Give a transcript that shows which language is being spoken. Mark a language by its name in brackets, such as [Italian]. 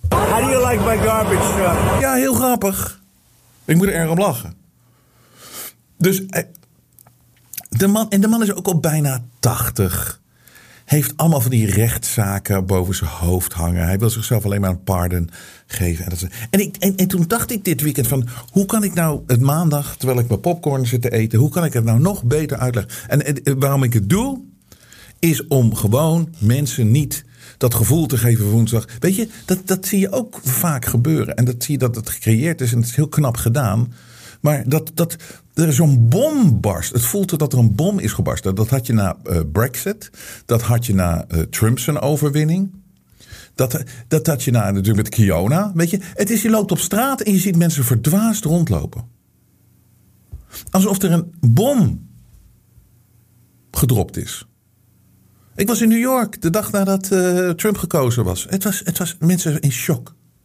[English] How do you like my garbage truck? [Dutch] Ja, heel grappig. Ik moet er erg om lachen. Dus de man is ook al bijna 80. Heeft allemaal van die rechtszaken boven zijn hoofd hangen. Hij wil zichzelf alleen maar een pardon geven. En toen dacht ik dit weekend van, hoe kan ik nou het maandag, terwijl ik mijn popcorn zit te eten, hoe kan ik het nou nog beter uitleggen? En waarom ik het doe, is om gewoon mensen niet dat gevoel te geven woensdag. Weet je, dat zie je ook vaak gebeuren. En dat zie je dat het gecreëerd is en het is heel knap gedaan. Maar dat er zo'n bom barst. Het voelt dat er een bom is gebarst. Dat had je na Brexit. Dat had je na Trump's overwinning. Dat had je na natuurlijk met Kiona. Weet je, je loopt op straat en je ziet mensen verdwaasd rondlopen. Alsof er een bom gedropt is. Ik was in New York de dag nadat Trump gekozen was. Het was mensen in shock.